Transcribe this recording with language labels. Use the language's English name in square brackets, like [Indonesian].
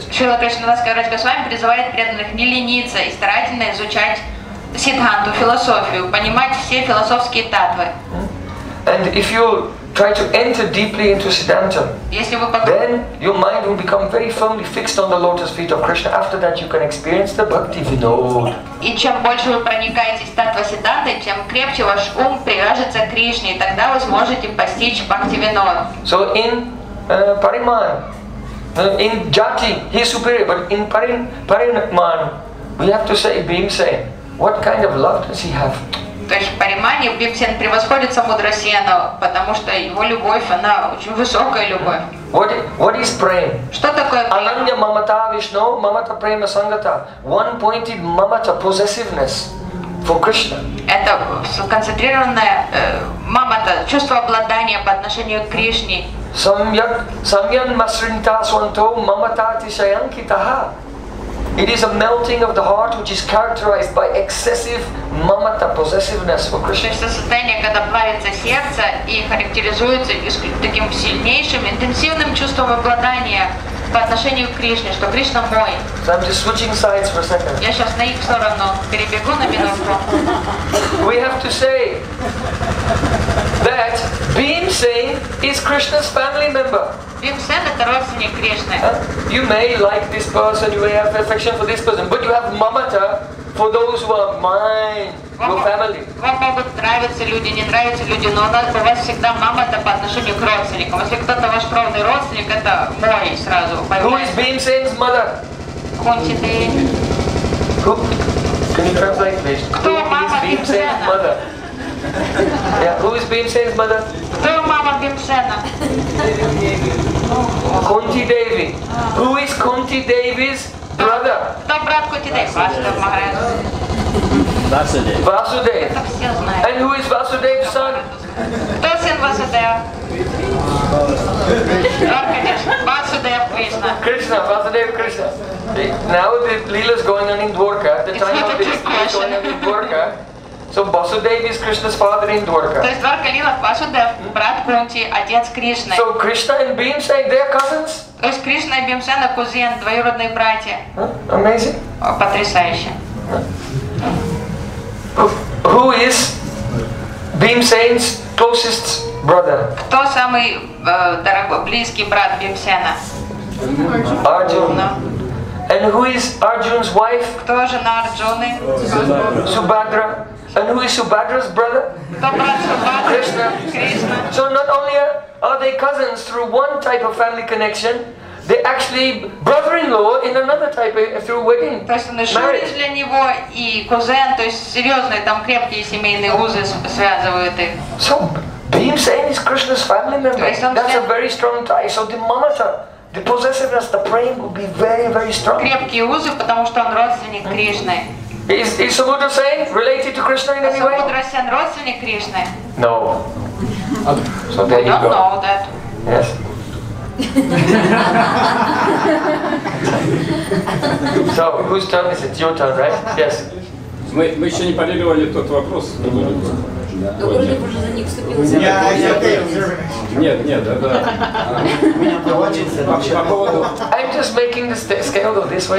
[Russian] Srila Krishna Karavans Goswami призывает преданных не лениться и старательно изучать Сиддханту, философию, понимать все философские татвы. [English] And if you try to enter deeply into Siddhanta, then your mind will become very firmly fixed on the lotus feet of Krishna. After that, you can experience the Bhakti Vinod. [Russian] И чем больше вы проникаете в статву Сиддханты, тем крепче ваш ум привяжется к Кришне, и тогда вы сможете постичь Бхакти Винод. [English] So in Pariman, in Jati, he is superior, but in Parinatman, we have to say, Bhimsen, what kind of love does he have? [Russian] То есть в Паримане Бхимсен превосходит Самудрасену, потому что его любовь, она очень высокая любовь. [English] What is prema? [Russian] Что такое [Sanskrit] prema? Ananya mamata vishno mamata prema sangata. [English] One-pointed mamata, possessiveness for Krishna. [Russian] Это сконцентрированная мамата, чувство обладания по отношению к Кришне. [Sanskrit] Samyan masrinta swanto mamata tishayankitaha. [English] It is a melting of the heart which is characterized by excessive mamata, possessiveness for Krishna. [Russian] То есть это состояние, когда плавится сердце и характеризуется таким сильнейшим, интенсивным чувством обладания по отношению к Кришне, что Кришна мой. [English] So I'm just switching sides for a second. [Russian] Я сейчас на их сторону перебегу на минутку. [English] We have to say that Bhimsen is Krishna's family member. [Russian] Бхимсен — это родственник Кришны. [English] You may like this person, you may have affection for this person, but you have mamata for those who are mine, your family. [Russian] Вам могут нравиться люди, не нравятся люди, но у вас всегда мамата по отношению к родственникам. Если кто-то ваш кровный родственник, это мой сразу. [English] Who is Bhimsen's mother? [Russian] Кунти Деви. [English] Who? Can you translate, please? [Russian] Кто мама Бхимсена? [English] Who is Bhimsen's mother? Yeah, who is Bhimsen's mother? [Russian] Кто мама Бхимсена? [English] Kunti Devi. Who is Kunti Devi's brother? [Russian] Кто брат Кунти Деви? Васудев. Васудев. Это все знают. [English] And who is Vasudev's son? [Russian] Кто сын Васудева? Васудев Кришна. Кришна, Васудев Кришна. [English] Now the Leela is going on in Dwarka. The time of this is going on in Dwarka. So Vasudev is Krishna's father in Dwarka. [Russian] То есть Дварка Лила Васудев, брат Кунти, отец Кришны. [English] So Krishna and Bhimsen, they are cousins? [Russian] То есть Кришна и Бхимсена кузен, двоюродные братья. [English] Amazing. [Russian] Потрясающе. [English] Who is Bhimsen's closest brother? [Russian] Кто самый дорогой, близкий брат Бхимсена? [English] Arjuna. And who is Arjuna's wife? [Russian] Кто жена Арджуны? [English] Субхадра. And who is Subhadra's brother? Krishna. So not only are they cousins through one type of family connection, they're actually brother-in-law in another type of, through wedding. [Russian] То есть они жены для него и кузен, то есть серьезные там крепкие семейные узы связывают их. [English] So Bhimsen is Krishna's family member. That's a very strong tie. So the mamata, the possessiveness, the prema would be very, very strong. [Russian] Крепкие узы, потому что он родственник Кришны. [English] Is Subhadra Sen related to Krishna in any way? [Russian] Subhadra Sen родственник Кришны? [English] No. So there you go. I don't know that. Yes. So, whose turn is it? Your turn, right? Yes. [Russian] Мы еще не поделили тот вопрос. [English] I'm just making the scale go this way.